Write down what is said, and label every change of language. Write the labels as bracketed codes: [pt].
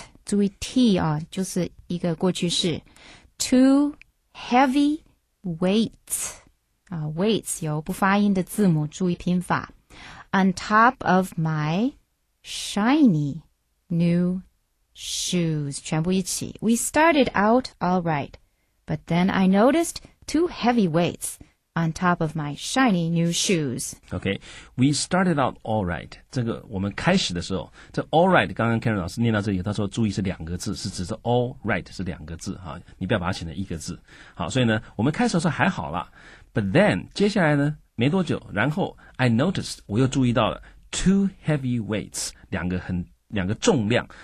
[zh] 注意 T 啊，就是一个过去式 [en] Two heavy weights [zh] weights 有不发音的字母，注意拼法。 [en] On top of my shiny new shoes, [zh] 全部一起。 [en] We started out all right, but then I noticed two heavy weights on top of my shiny new shoes. Okay, we started out all right. [zh] 这个我们开始的时候，这 all right 刚刚 Karen 老师念到这里，他说注意是两个字，是指着 all right 是两个字哈，你不要把它写成一个字。好，所以呢，我们开始的时候还好了。 [en] But then, [zh] 接下来呢，没多久，然后 [en] I noticed, [zh] 我又注意到了 [en] two heavy weights, [zh] 两个重量。